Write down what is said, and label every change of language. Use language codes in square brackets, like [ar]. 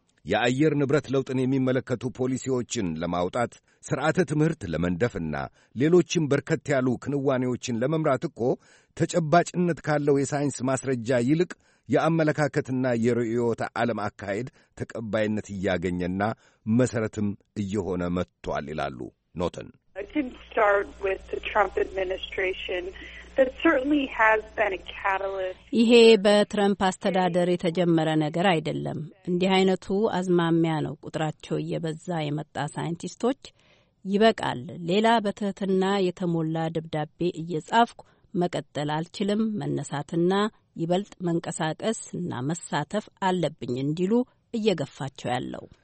[am] የአየር ንብረት ለውጥን የሚመለከቱ ፖሊሲዎችን ለማውጣት፣ ሥርዓተ ትምህርት ለመንደፍና ሌሎችም በርከት ያሉ ክንዋኔዎችን ለመምራት እኮ ተጨባጭነት ካለው የሳይንስ ማስረጃ ይልቅ የአመለካከትና የርዕዮተ ዓለም አካሄድ ተቀባይነት እያገኘና መሠረትም እየሆነ መጥቷል ይላሉ ኖተን። [en] It didn't start with the Trump administration, but certainly has been a catalyst. [am] ይሄ በትራምፕ አስተዳደር የተጀመረ ነገር አይደለም። እንዲህ አይነቱ አዝማሚያ ነው ቁጥራቸው እየበዛ የመጣ ሳይንቲስቶች ይበቃል፣ ሌላ በትህትና የተሞላ ድብዳቤ እየጻፍኩ መቀጠል አልችልም፣ መነሳትና ይበልጥ መንቀሳቀስ እና መሳተፍ አለብኝ እንዲሉ እየገፋቸው ያለው